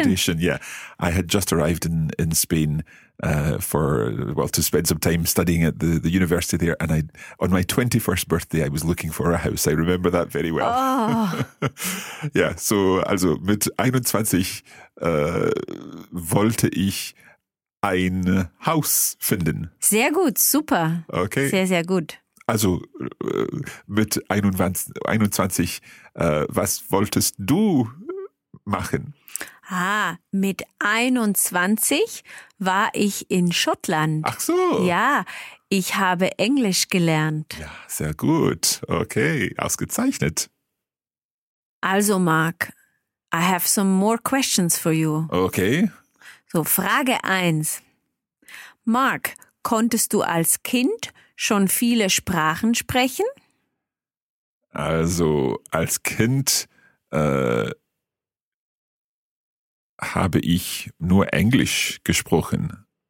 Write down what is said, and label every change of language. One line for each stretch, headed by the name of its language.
English: Accommodation, yeah. I had just arrived in Spain to spend some time studying at the university there. And on my 21st birthday, I was looking for a house. I remember that very well. Oh.
German: Yeah, so also mit 21 wollte ich ein Haus finden. Sehr gut, super.
English: Okay.
German: Sehr, sehr gut. Also mit 21, was wolltest du machen? Ah, mit 21 war ich in Schottland. Ach so. Ja, ich habe Englisch gelernt. Ja, sehr gut. Okay, ausgezeichnet.
English: Also Mark, I have some more questions for you. Okay.
German: So, Frage 1. Mark, konntest du als Kind schon viele Sprachen sprechen? Also als Kind habe ich nur Englisch gesprochen.